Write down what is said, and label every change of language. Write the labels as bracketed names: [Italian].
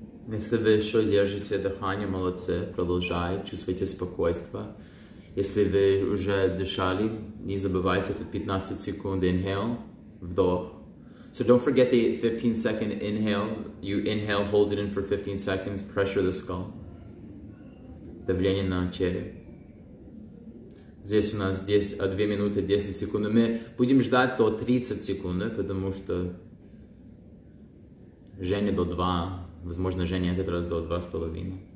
[Russian] Если вы еще держите дыхание, молодцы, продолжай, чувствуйте спокойствие. Если вы уже дышали, не забывайте эту 15 секунд inhale, вдох. [English] So don't forget the 15 second inhale. You inhale, hold it in for 15 seconds, pressure the skull. [Russian] Давление на череп. Здесь у нас 2 минуты 10 секунд. Мы будем ждать до 30 секунд, потому что Женя до 2. Возможно, Женя этот раз до 2.5.